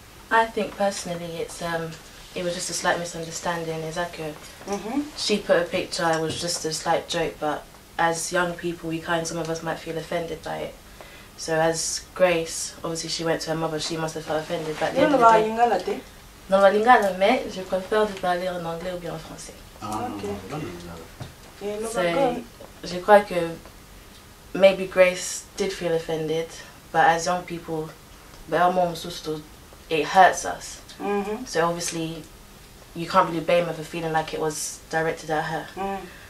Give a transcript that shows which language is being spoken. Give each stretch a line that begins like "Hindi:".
English: I think personally it was just a slight misunderstanding, Izaku. Mm-hmm. She put a picture, it was just a slight joke, but as young people, we kind of, some of us might feel offended by it. So as Grace, obviously she went to her mother, she must have felt offended, but at the end of the day...
French: Non, la lingala, mais je préfère de parler en anglais ou bien en français.
English: Okay. So,
French: je crois que
English: maybe Grace did feel offended, but as young people,
French: vraiment, on s'est tous...
English: It hurts us. Mm-hmm. So obviously, you can't really blame her for feeling like it was directed at her. Mm.